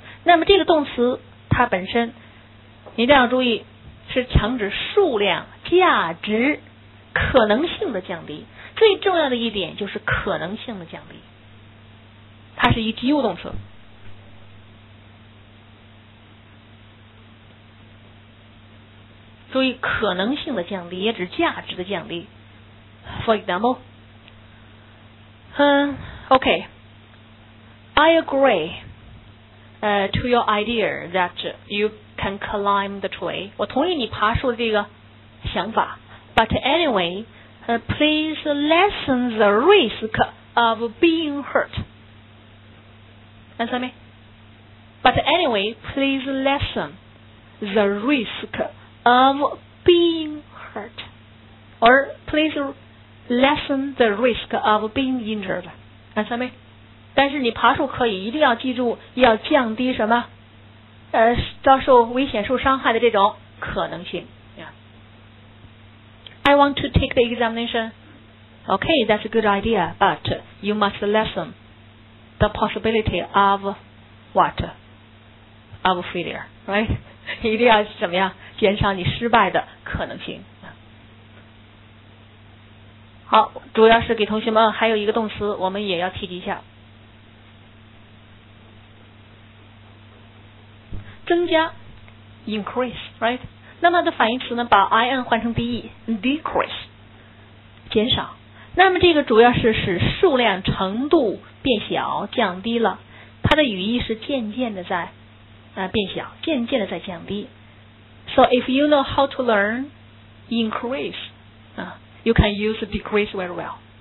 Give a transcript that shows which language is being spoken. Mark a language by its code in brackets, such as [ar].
[zh] 那么这个动词它本身你一定要注意是强指数量、价值、可能性的降低。最重要的一点就是可能性的降低。它是一及物动词。注意可能性的降低也指价值的降低。 [en] For example, okay, I agree, to your idea that you can climb the tree. [zh] 我同意你爬树的这个想法。 [en] But anyway, please lessen the risk of being hurt. Answer me. But anyway, please lessen the risk. Of being hurt, or please lessen the risk of being injured. Understand me? [zh] 但是你爬树可以，一定要记住要降低什么，遭受危险、受伤害的这种可能性。 [en] Yeah. I want to take the examination. Okay, that's a good idea, but you must lessen the possibility of what? Of failure, right? [zh] 一定要怎么样？减少你失败的可能性。好，主要是给同学们还有一个动词我们也要提及一下，增加 increase right? 那么的反义词呢，把 in 换成 de decrease 减少。那么这个主要是使数量程度变小降低了，它的语义是渐渐的在、变小，渐渐的在降低。 [en] So if you know how to learn increase, you can use decrease very well.